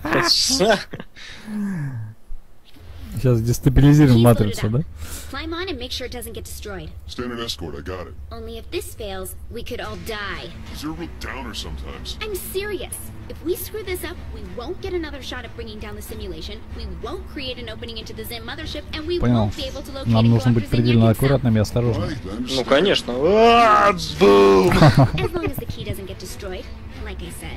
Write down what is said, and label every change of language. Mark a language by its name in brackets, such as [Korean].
[Russian] Сейчас дестабилизируем матрицу, да? [English] Climb on and make sure it doesn't get destroyed. Standard escort, I got it. Only if this fails, we could all die. Zero downer sometimes. I'm serious. If we screw this up, we won't get another shot at bringing down the simulation. We won't create an opening into the Zin mothership, and we won't be able to locate it. [Russian] Нам нужно быть предельно аккуратными и осторожными. Ну конечно. [English] As long as the key doesn't get destroyed, like I said.